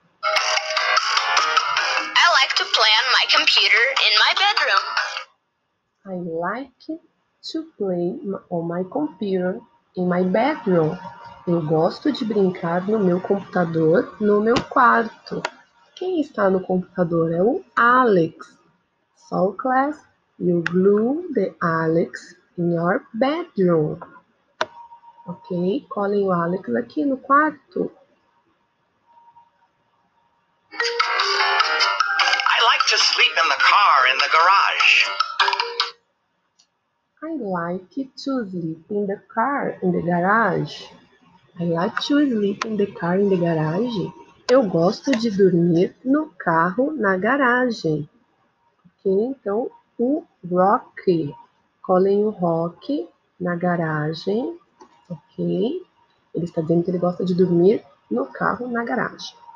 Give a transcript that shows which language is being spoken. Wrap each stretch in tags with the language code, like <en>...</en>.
<en>I like to play on my computer in my bedroom. I like to play on my computer in my bedroom.</en> <pt>Eu gosto de brincar no meu computador no meu quarto. Quem está no computador é o Alex.</pt> <en>So, class, you glue the Alex in your bedroom.</en> <pt>Ok? Colhem o Alex aqui no quarto.</pt> <en>I like to sleep in the car in the garage. I like to sleep in the car in the garage. I like to sleep in the car in the garage.</en> <pt>Eu gosto de dormir no carro na garagem. Ok? Então, o Rock. Colhem o Rock na garagem. Ok? Ele está dizendo que ele gosta de dormir no carro na garagem.</pt>